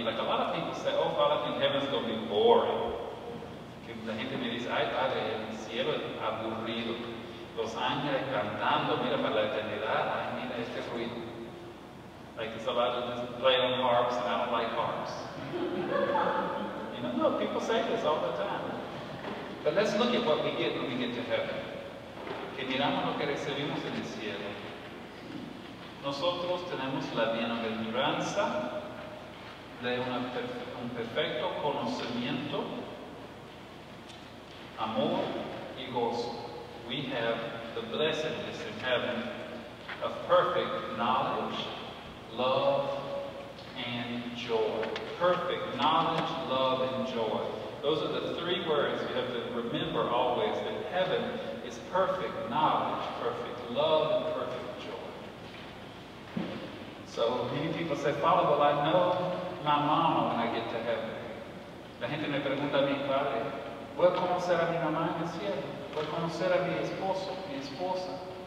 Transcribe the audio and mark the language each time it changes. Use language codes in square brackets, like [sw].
[en] Like a lot of people say, oh, Father, I think heaven's going to be boring. [es] La gente me dice, ay, padre, el cielo es aburrido. Los ángeles cantando, mira, para la eternidad, ay, mira este ruido. [en] Like, it's a lot of playing harps, and I don't like harps. You know, no, people say this all the time. But let's look at what we get when we get to heaven. [es] Que miramos lo que recibimos en el cielo. Nosotros tenemos la bienaventuranza de un perfecto conocimiento, amor y gozo. [en] We have the blessedness in heaven of perfect knowledge, love, and joy. Perfect knowledge, love, and joy. Those are the three words you have to remember always, that heaven is perfect knowledge, perfect love, and perfect joy. So many people say, Father, well, I know my mama when I get to heaven. [es] La gente me pregunta a mi padre, voy a conocer a mi mamá en el cielo. Voy a conocer a mi esposo, mi esposa.